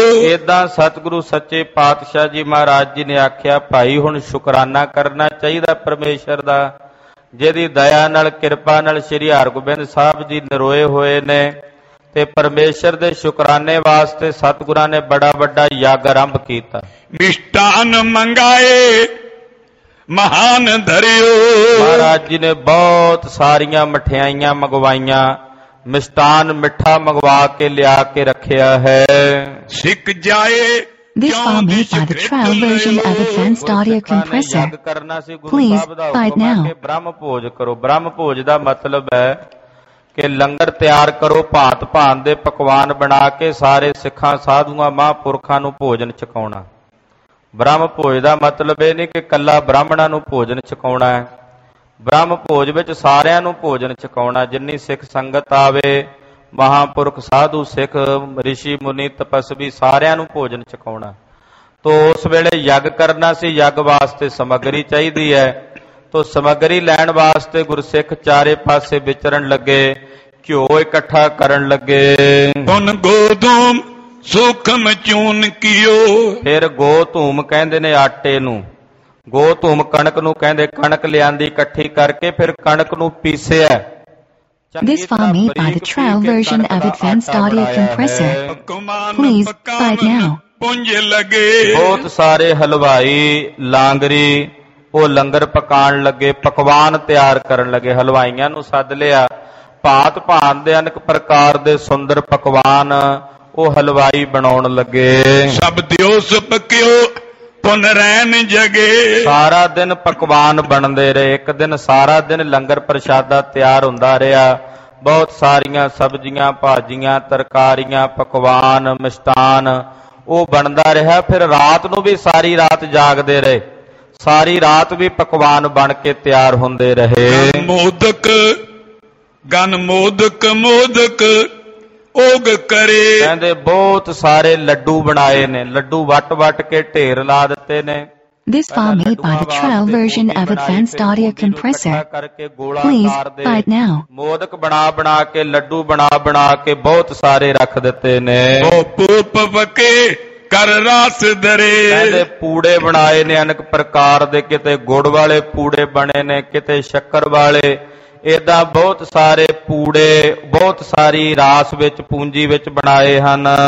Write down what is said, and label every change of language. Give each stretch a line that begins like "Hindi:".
Punjabi: ਏਦਾਂ ਸਤਿਗੁਰੂ ਸੱਚੇ ਪਾਤਸ਼ਾਹ ਜੀ ਮਹਾਰਾਜ ਜੀ ਨੇ ਆਖਿਆ ਭਾਈ ਹੁਣ ਸ਼ੁਕਰਾਨਾ ਕਰਨਾ ਚਾਹੀਦਾ ਪਰਮੇਸ਼ਰ ਦਾ, ਜਿਹਦੀ ਦਇਆ ਨਾਲ ਕਿਰਪਾ ਨਾਲ ਸ੍ਰੀ ਹਰਗੋਬਿੰਦ ਸਾਹਿਬ ਜੀ ਨਰੋਏ ਹੋਏ ਨੇ ਤੇ ਪਰਮੇਸ਼ਰ ਦੇ ਸ਼ੁਕਰਾਨੇ ਵਾਸਤੇ ਸਤਿਗੁਰਾਂ ਨੇ ਬੜਾ ਵੱਡਾ ਯੱਗ ਆਰੰਭ ਕੀਤਾ। ਮਿਸ਼ਟਾਨ ਮੰਗਾਏ ਮਹਾਨ ਧਰਿਓ। ਮਹਾਰਾਜ ਜੀ ਨੇ ਬਹੁਤ ਸਾਰੀਆਂ ਮਠਿਆਈਆਂ ਮੰਗਵਾਈਆਂ, ਮਿਸ਼ਟਾਨ ਮਿੱਠਾ ਮੰਗਵਾ ਕੇ ਲਿਆ ਕੇ ਰੱਖਿਆ ਹੈ। ਸਿੱਖ ਜਾਏ
English: This file made by the trial version of Advanced Audio Compressor. Please buy it now.
Punjabi: ਬ੍ਰਹਮ ਭੋਜ ਕਰੋ। ਬ੍ਰਹਮ ਭੋਜ ਦਾ ਮਤਲਬ ਹੈ ਕਿ ਲੰਗਰ ਤਿਆਰ ਕਰੋ, ਭਾਂਤ ਭਾਂਤ ਦੇ ਪਕਵਾਨ ਬਣਾ ਕੇ ਸਾਰੇ ਸਿੱਖਾਂ ਸਾਧੂਆਂ ਮਹਾਂਪੁਰਖਾਂ ਨੂੰ ਭੋਜਨ ਚਕਾਉਣਾ। ਬ੍ਰਹਮ ਭੋਜ ਦਾ ਮਤਲਬ ਇਹ ਨਹੀਂ ਕਿ ਕੱਲਾ ਬ੍ਰਾਹਮਣਾਂ ਨੂੰ ਭੋਜਨ ਚਕਾਉਣਾ ਹੈ, ਬ੍ਰਹਮ ਭੋਜ ਵਿੱਚ ਸਾਰਿਆਂ ਨੂੰ ਭੋਜਨ ਚਕਾਉਣਾ। ਜਿੰਨੀ ਸਿੱਖ ਸੰਗਤ ਆਵੇ, ਮਹਾਂਪੁਰਖ ਸਾਧੂ ਸਿੱਖ ਰਿਸ਼ੀ ਮੁਨੀ ਤਪਸਵੀ ਸਾਰਿਆਂ ਨੂੰ ਭੋਜਨ ਚਕਾਉਣਾ। ਤੋ ਉਸ ਵੇਲੇ ਯੱਗ ਕਰਨਾ ਸੀ, ਯੱਗ ਵਾਸਤੇ ਸਮੱਗਰੀ ਚਾਹੀਦੀ ਹੈ, ਤੋ ਸਮੱਗਰੀ ਲੈਣ ਵਾਸਤੇ ਗੁਰਸਿੱਖ ਚਾਰੇ ਪਾਸੇ ਵਿਚਰਨ ਲੱਗੇ, ਘਿਓ ਇਕੱਠਾ ਕਰਨ ਲੱਗੇ। ਹੁਣ ਗੋਧੂਮ ਸੂਖਮ ਚੂਨ ਕੀਓ। ਫਿਰ ਗੋ ਧੂਮ ਕਹਿੰਦੇ ਨੇ ਆਟੇ ਨੂੰ, ਗੋ ਧੂਮ ਕਣਕ ਨੂੰ ਕਹਿੰਦੇ, ਕਣਕ ਲਿਆਂਦੀ ਇਕੱਠੀ ਕਰਕੇ ਫਿਰ ਕਣਕ ਨੂੰ ਪੀਸਿਆ।
English: This file made by the trial version of Advanced Audio Compressor. Please buy it now.
Punjabi: ਪੁੰਜ ਲੱਗੇ ਬਹੁਤ ਸਾਰੇ ਹਲਵਾਈ ਲਾਂਗਰੀ ਉਹ ਲੰਗਰ ਪਕਾਉਣ ਲੱਗੇ, ਪਕਵਾਨ ਤਿਆਰ ਕਰਨ ਲੱਗੇ, ਹਲਵਾਈਆਂ ਨੂੰ ਸੱਦ ਲਿਆ। ਭਾਂਤ ਭਾਂਤ ਦੇ ਅਨੇਕ ਪ੍ਰਕਾਰ ਦੇ ਸੁੰਦਰ ਪਕਵਾਨ ਉਹ ਹਲਵਾਈ ਬਣਾਉਣ ਲੱਗੇ। ਸਭ ਦਿਓ ਸੁਪ ਕਿਓ ਪੁਨਰੈਨ ਜਗੇ। ਸਾਰਾ ਦਿਨ ਪਕਵਾਨ ਬਣਦੇ ਰਹੇ, ਇੱਕ ਦਿਨ ਸਾਰਾ ਦਿਨ ਲੰਗਰ ਪ੍ਰਸ਼ਾਦਾ ਤਿਆਰ ਹੁੰਦਾ ਰਿਹਾ, ਬਹੁਤ ਸਾਰੀਆਂ ਸਬਜ਼ੀਆਂ ਭਾਜੀਆਂ ਤਰਕਾਰੀਆਂ ਪਕਵਾਨ ਮਿਸ਼ਟਾਨ ਉਹ ਬਣਦਾ ਰਿਹਾ। ਫਿਰ ਰਾਤ ਨੂੰ ਵੀ ਸਾਰੀ ਰਾਤ ਜਾਗਦੇ ਰਹੇ, ਸਾਰੀ ਰਾਤ ਵੀ ਪਕਵਾਨ ਬਣ ਕੇ ਤਿਆਰ ਹੁੰਦੇ ਰਹੇ। ਮੋਦਕ ਗਨ ਮੋਦਕ ਮੋਦਕ ਉਗ ਕਰੇ, ਕਹਿੰਦੇ ਬਹੁਤ ਸਾਰੇ ਲੱਡੂ ਬਣਾਏ ਨੇ, ਲੱਡੂ ਵੱਟ ਵੱਟ ਕੇ ਢੇਰ ਲਾ ਦਿੱਤੇ ਨੇ।
English: This file made by the trial version of Advanced Audio Compressor. Please buy it now.
Punjabi: Modak ਬਣਾ ਬਣਾ ਕੇ ਲੱਡੂ ਬਣਾ ਬਣਾ ਕੇ ਬਹੁਤ ਸਾਰੇ ਰੱਖ ਦਿੱਤੇ ਨੇ। ਪਵਕੇ ਕਰ ਰਸ ਦਰੇ, ਕਹਿੰਦੇ ਪੂੜੇ ਬਣਾਏ ਨੇ ਅਨੇਕ ਪ੍ਰਕਾਰ ਦੇ, ਕਿਤੇ ਗੁੜ ਵਾਲੇ ਪੂੜੇ ਬਣੇ ਨੇ, ਕਿਤੇ ਸ਼ੱਕਰ ਵਾਲੇ, ਏਦਾਂ ਬਹੁਤ ਸਾਰੇ ਪੂੜੇ, ਬਹੁਤ ਸਾਰੀ ਰਾਸ ਵਿੱਚ ਪੂੰਜੀ ਵਿੱਚ ਬਣਾਏ ਹਨ।